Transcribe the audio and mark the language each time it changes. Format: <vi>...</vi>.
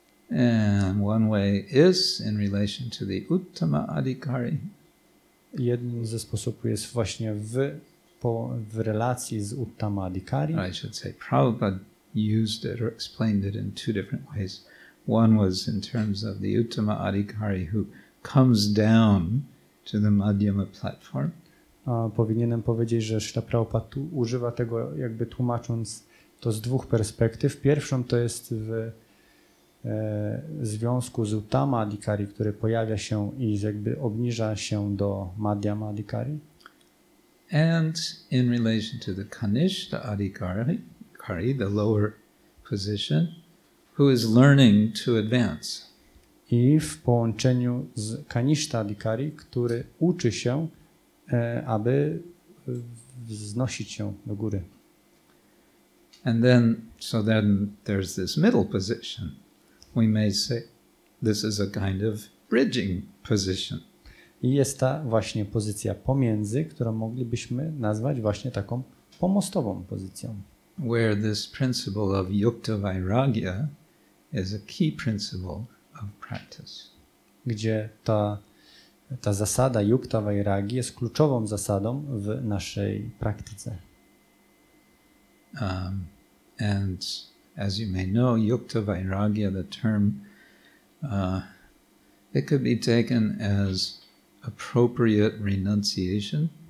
<en>And one way is in relation to the uttama adhikari.</en> <pl>Jednym ze sposobów jest właśnie w relacji z uttama adhikari.</pl> <en>I should say Prabhupada used it or explained it in two different ways. One was in terms of the uttama adhikari who comes down to the madhyama platform.</en> <pl>Powinienem powiedzieć, że Śrīla Prabhupada tu używa tego, jakby tłumacząc to z dwóch perspektyw. Pierwszą to jest w związku z uttama adhikari, który pojawia się i jakby obniża się do madhyama adhikari.</pl> <en>And in relation to the kanishta adhikari, the lower position, who is learning to advance.</en> <pl>I w połączeniu z kanishta adhikari, który uczy się, aby wznosić się do góry.</pl> <en>And then, so then there's this middle position. We may say this is a kind of bridging position.</en> <pl>I jest ta właśnie pozycja pomiędzy, którą moglibyśmy nazwać właśnie taką pomostową pozycją.</pl> <en>Where this principle of yukta vairagya is a key principle of practice.</en> <pl>Gdzie ta zasada yukta vairagi jest kluczową zasadą w naszej praktyce.</pl> <en>And as you may know, yukta vairagya, the term, it could be taken as appropriate renunciation.</en>